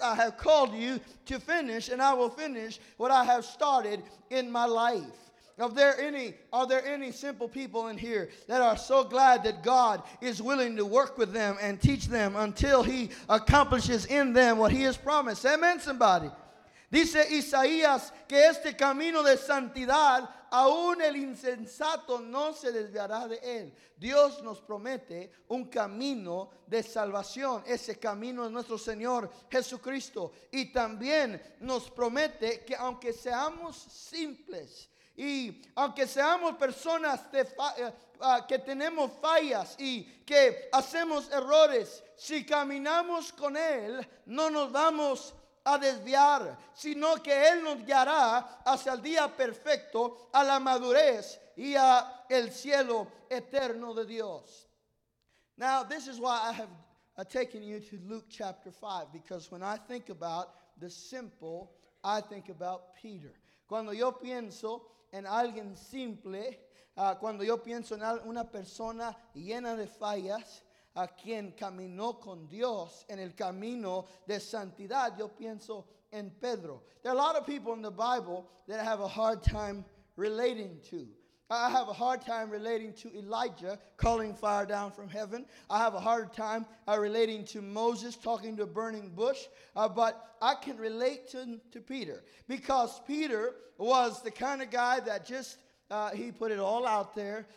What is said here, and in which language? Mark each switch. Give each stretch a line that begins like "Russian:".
English: I have called you to finish, and I will finish what I have started in my life. Are there any simple people in here that are so glad that God is willing to work with them and teach them until he accomplishes in them what he has promised? Amen, somebody.
Spanish: Dice Isaías que este camino de santidad, aún el insensato no se desviará de él. Dios nos promete un camino de salvación. Ese camino es nuestro Señor Jesucristo. Y también nos promete que aunque seamos simples, y aunque seamos personas que tenemos fallas y que hacemos errores, si caminamos con Él, no nos vamos a desviar, sino que Él nos guiará hacia el día perfecto, a la madurez y a el cielo eterno de Dios.
English: Now, this is why I have taken you to Luke chapter 5, because when I think about the simple, I think about Peter.
Spanish: Cuando yo pienso en alguien simple, cuando yo pienso en una persona llena de fallas, a quien caminó con Dios en el camino de santidad, yo pienso en Pedro.
English: There are a lot of people in the Bible that I have a hard time relating to. I have a hard time relating to Elijah calling fire down from heaven. I have a hard time relating to Moses talking to a burning bush. But I can relate to Peter, because Peter was the kind of guy that just, he put it all out there.